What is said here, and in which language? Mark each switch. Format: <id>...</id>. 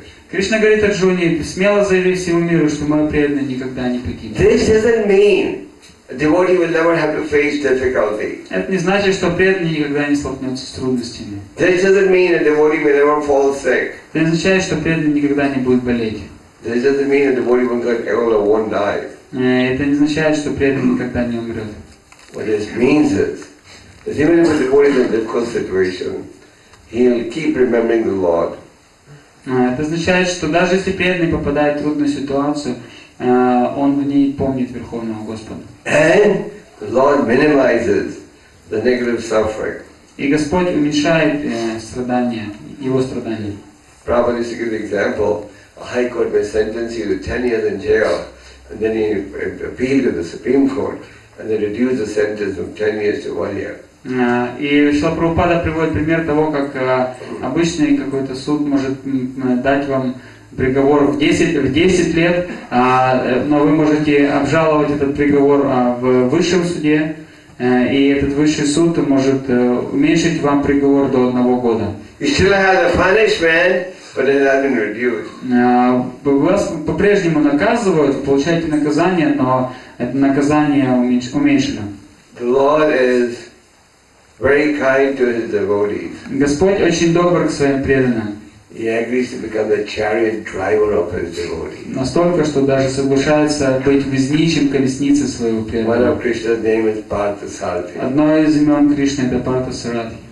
<ru>Кришна говорит Арджуне, смело заяви всему миру, что мой преданный никогда не погибнет.</ru> <en>This doesn't mean a devotee will never have to face difficulty.</en> <ru>Это не значит, что преданный никогда не столкнется с трудностями.</ru> <en>This doesn't mean a devotee will never fall sick.</en> <ru>Это не означает, что преданный никогда не будет болеть.</ru> <en>This doesn't mean a devotee will get ill or won't die.</en> <ru>Это не означает, что преданный никогда не умрет.</ru> <en>What this means is that even if a devotee is in a difficult situation, he'll keep remembering the Lord.</en> <ru>Это означает, что даже если преданный попадает в трудную ситуацию, он в ней помнит Верховного Господа.</ru> <en>And the Lord minimizes the negative suffering.</en> <ru>И Господь уменьшает страдания, его страдания.</ru> <en>Prabhupada used to give the example, a high court may sentence you to 10 years in jail, and then he appealed to the Supreme Court, and they reduced the sentence from 10 years to 1 year.</en> <ru>И Шрила Прабхупада приводит пример того, как обычный какой-то суд может дать вам приговор в 10 лет, но вы можете обжаловать этот приговор в высшем суде, и этот высший суд может уменьшить вам приговор до 1 года.</ru> <en>But it has been reduced.</en> <ru>Вас по-прежнему наказывают, получаете наказание, но это наказание уменьшено.</ru> <en>The Lord is very kind to his devotees.</en> <ru>Господь очень добр к своим преданным.</ru> <en>He agrees to become the chariot driver of his devotees.</en> <ru>Настолько, что даже соглашается быть везничим колесницы своего преданного.</ru> <en>One of Krishna's name is Partha-sarathi.</en> <ru>Одно из имен Кришны это Партасарати.</ru>